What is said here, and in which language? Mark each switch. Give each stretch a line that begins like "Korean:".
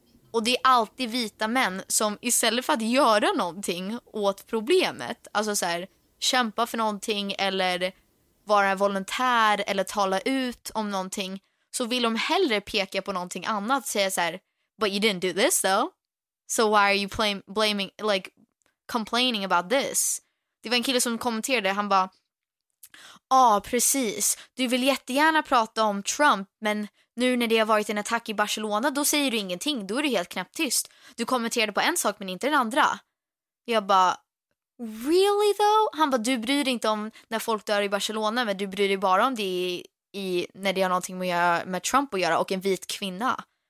Swedish: Och det är alltid vita män som istället för att göra någonting åt problemet, alltså så här, kämpa för någonting eller vara volontär eller tala ut om någonting, så vill de hellre peka på någonting annat och säga så här,
English: but you didn't do this though. So why are you blaming, like, complaining about this?
Swedish: Det var en kille som kommenterade, han bara, ja, ah, precis. Du vill jättegärna prata om Trump, men nu när det har varit en attack i Barcelona, då säger du ingenting. Då är du helt knäpptyst. Du kommenterade på en sak, men inte den andra. Jag bara,
English: really though?
Swedish: Han bara, du bryr dig inte om när folk dör i Barcelona, men du bryr dig bara om det i när det har någonting att göra med Trump att göra och en vit kvinna.